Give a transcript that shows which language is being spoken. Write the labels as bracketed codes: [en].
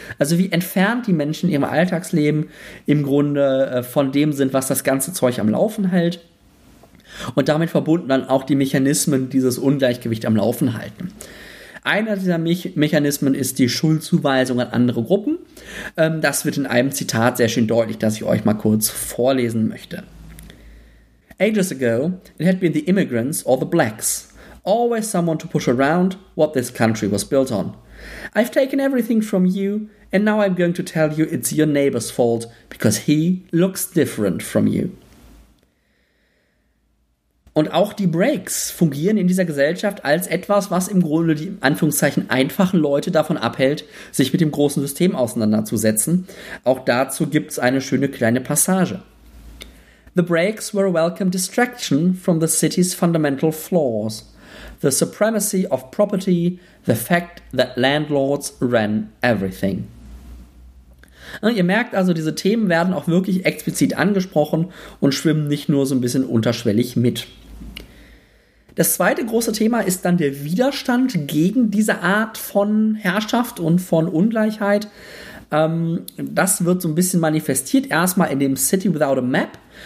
[de] Also wie entfernt die Menschen in ihrem Alltagsleben im Grunde von dem sind, was das ganze Zeug am Laufen hält. Und damit verbunden dann auch die Mechanismen, die dieses Ungleichgewicht am Laufen halten. Einer dieser Mechanismen ist die Schuldzuweisung an andere Gruppen. Das wird in einem Zitat sehr schön deutlich, das ich euch mal kurz vorlesen möchte. [en] Ages ago, it had been the immigrants or the blacks. Always someone to push around what this country was built on. I've taken everything from you, and now I'm going to tell you it's your neighbor's fault, because he looks different from you. [de] Und auch die Breaks fungieren in dieser Gesellschaft als etwas, was im Grunde die, Anführungszeichen, einfachen Leute davon abhält, sich mit dem großen System auseinanderzusetzen. Auch dazu gibt's eine schöne kleine Passage. [en] The breaks were a welcome distraction from the city's fundamental flaws. The supremacy of property, the fact that landlords ran everything. [de] Und ihr merkt also, diese Themen werden auch wirklich explizit angesprochen und schwimmen nicht nur so ein bisschen unterschwellig mit. Das zweite große Thema ist dann der Widerstand gegen diese Art von Herrschaft und von Ungleichheit. Das wird so ein bisschen manifestiert, erstmal in dem City Without a Map.